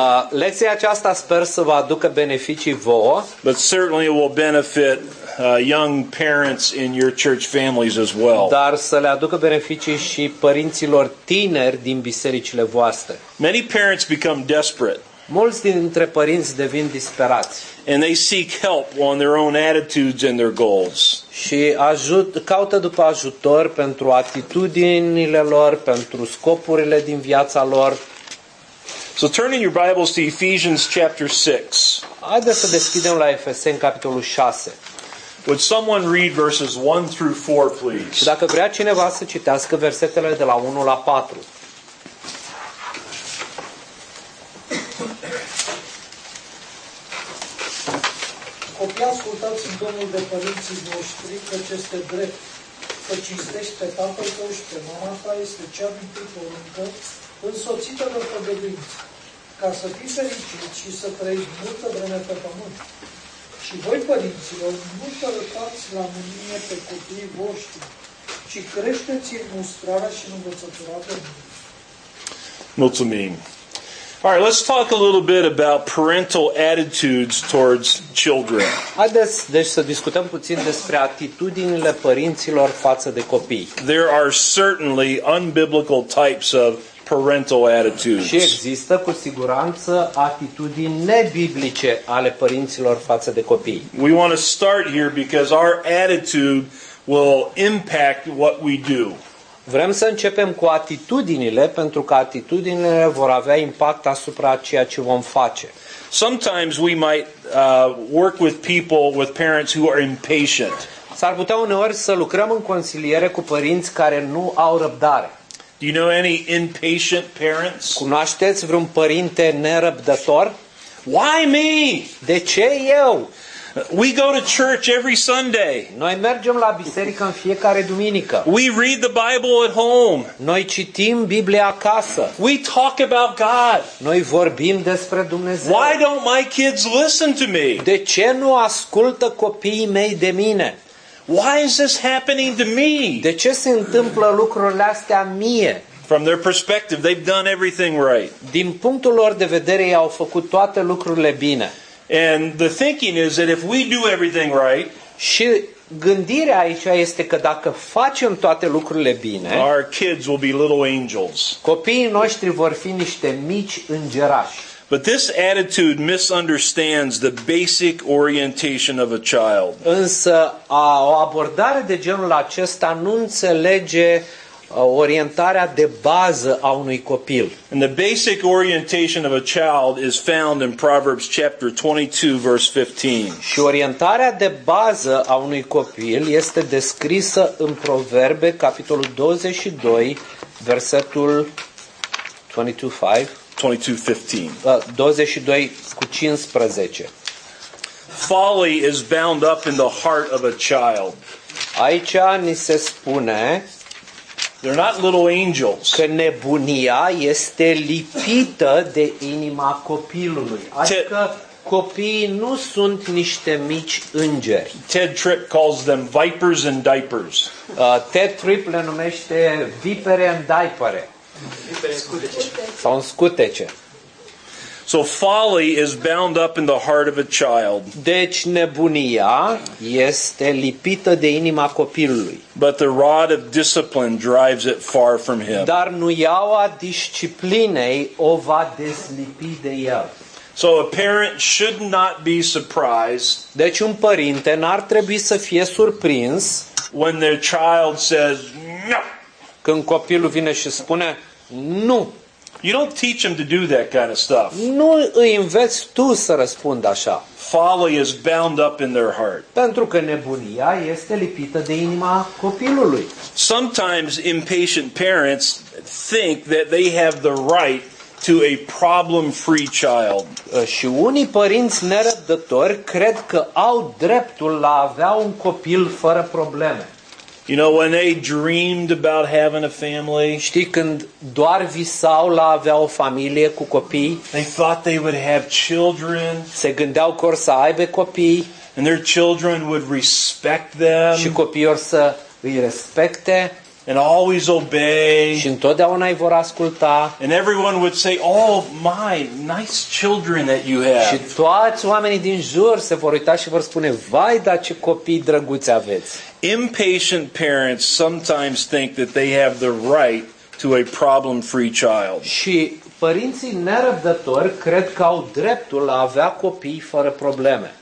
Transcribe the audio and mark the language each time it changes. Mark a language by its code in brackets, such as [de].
[ro] Lecția aceasta sper să vă aducă beneficii vouă. [en] But certainly it will benefit young parents in your church families as well. [ro] Dar să le aducă beneficii și părinților tineri din bisericile voastre. [en] Many parents become desperate. [ro] Mulți dintre părinți devin disperați. [en] And they seek help on their own attitudes and their goals. [ro] Și caută după ajutor pentru atitudinile lor, pentru scopurile din viața lor. [en] So turn in your Bibles to Ephesians chapter 6. [ro] Haideți să deschidem la Efeseni capitolul 6. [en] Would someone read verses 1 through 4, please? [ro] Și dacă vrea cineva să citească versetele de la 1 la 4. Copii, ascultați-mi domnul de părinții noștri, că este drept. Să cinstești pe tatăl tău și pe mama ta este cea dintre poruncă, însoțită de păgăduință, ca să fii fericit și să trăiești multă vreme pe pământ. Și voi, părinților, nu tălătați la mânie pe copiii voștri, ci creșteți-i în mustrarea și în învățătura de mine. Mulțumim! [en] All right, let's talk a little bit about parental attitudes towards children. [ro] Haideți, deci, să discutăm puțin despre atitudinile părinților față de copii. [en] There are certainly unbiblical types of parental attitudes. [ro] Și există cu siguranță atitudini nebiblice ale părinților față de copii. [en] We want to start here because our attitude will impact what we do. [ro] Vrem să începem cu atitudinile pentru că atitudinile vor avea impact asupra ceea ce vom face. [en] Sometimes we might work with people with parents who are impatient. [ro] S-ar putea uneori să lucrăm în consiliere cu părinți care nu au răbdare. [en] Do you know any impatient parents? [ro] Cunoașteți vreun părinte nerăbdător? [en] Why me? [ro] De ce eu? [en] We go to church every Sunday. [ro] Noi mergem la biserică în fiecare duminică. [en] We read the Bible at home. [ro] Noi citim Biblia acasă. [en] We talk about God. [ro] Noi vorbim despre Dumnezeu. [en] Why don't my kids listen to me? [ro] De ce nu ascultă copiii mei de mine? [en] Why is this happening to me? [ro] De ce se întâmplă lucrurile astea mie? [en] From their perspective, they've done everything right. [ro] Din punctul lor de vedere, ei au făcut toate lucrurile bine. [en] And the thinking is that if we do everything right, [ro] și gândirea aici este că dacă facem toate lucrurile bine, [en] our kids will be little angels. [ro] Copiii noștri vor fi niște mici îngerași. [en] But this attitude misunderstands the basic orientation of a child. [ro] Însă o abordare de genul acesta nu înțelege orientarea de bază a unui copil. [en] And the basic orientation of a child is found in Proverbs chapter 22 verse 15. [ro] Și orientarea de bază a unui copil este descrisă în Proverbe capitolul 22 versetul 22:15. [en] Folly is bound up in the heart of a child. [ro] Aici ni se spune [en] they're not little angels. [ro] Că nebunia este lipită de inima copilului. Adică copiii nu sunt niște mici îngeri. [en] Ted Tripp calls them vipers in diapers. [ro] Ted Tripp le numește vipere în diapere. Sau în scutece. [en] So folly is bound up in the heart of a child. [ro] Deci nebunia este lipită de inima copilului. [en] But the rod of discipline drives it far from him. [ro] Dar nuiaua disciplinei o va deslipi de el. [en] So a parent should not be surprised. [ro] Deci un părinte n-ar trebui să fie surprins [en] when their child says no. [ro] Când copilul vine și spune nu. [en] You don't teach him to do that kind of stuff. [ro] Nu îi înveți tu să răspundă așa. [en] Folly is bound up in their heart. [ro] Pentru că nebunia este lipită de inima copilului. [en] Sometimes impatient parents think that they have the right to a problem-free child. [ro] Și unii părinți nerăbdători cred că au dreptul la a avea un copil fără probleme. [en] You know when they dreamed about having a family? [ro] Știi când doar visau la avea o familie cu copii? [en] They thought they would have children. [ro] Se gândeau că or să aibă copii. [en] And their children would respect them. [ro] Și copiii or să îi respecte. [en] And always obey. [ro] Și întotdeauna îi vor asculta. [en] And everyone would say, "Oh my, nice children that you have." [ro] Și toți oamenii din jur se vor uita și vor spune, "Vai, da ce copii drăguți aveți." [en] Impatient parents sometimes think that they have the right to a problem-free child. [ro] Și părinții nerăbdători cred că au dreptul la a avea copii fără probleme.